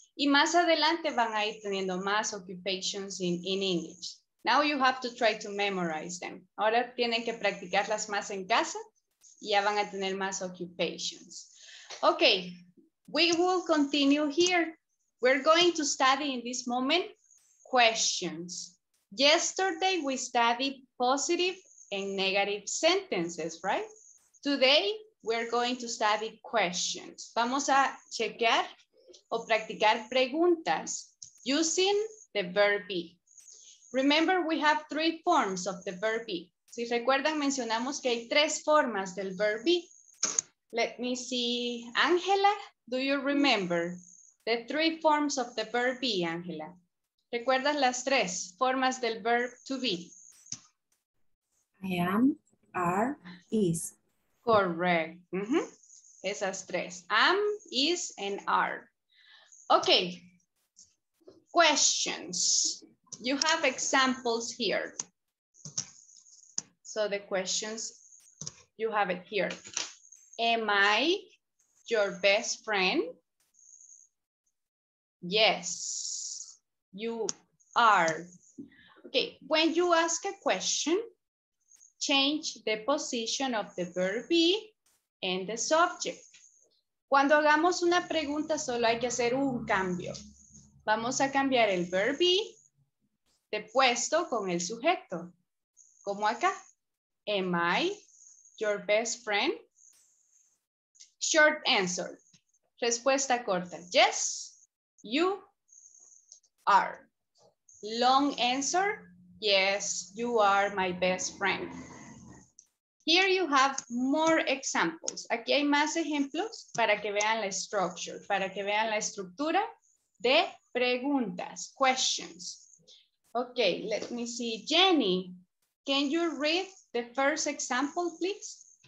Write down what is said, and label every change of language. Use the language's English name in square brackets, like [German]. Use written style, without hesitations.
[Spanish] Y más adelante van a ir teniendo más occupations [English] in English. Now you have to try to memorize them. [Spanish] Ahora tienen que practicarlas más en casa y ya van a tener más occupations. [English] Okay, we will continue here. We're going to study in this moment questions. Yesterday we studied positive and negative sentences, right? Today we're going to study questions. [Spanish] Vamos a chequear o practicar preguntas [English] using the verb be. Remember, we have three forms of the verb be. [Spanish] Si recuerdan, mencionamos que hay tres formas del [English] verb be. Let me see, Angela, do you remember the three forms of the verb be, Angela? [Spanish] ¿Recuerdas las tres formas del verb to be? [English] I am, are, is. Correct. [Spanish] Esas tres. [English] Am, is, and are. Okay. Questions. You have examples here. So the questions, you have it here. Am I your best friend? Yes. You are. Okay, when you ask a question, change the position of the verb be and the subject. [Spanish] Cuando hagamos una pregunta, solo hay que hacer un cambio. Vamos a cambiar el verb be de puesto con el sujeto. Como acá. [English] Am I your best friend? Short answer. [Spanish] Respuesta corta. [English] Yes, you are. Long answer, yes, you are my best friend. Here you have more examples. [Spanish] Aquí hay más ejemplos para que vean la structure, para que vean la estructura de preguntas, questions. [English] Okay, let me see. Jenny, can you read the first example, please?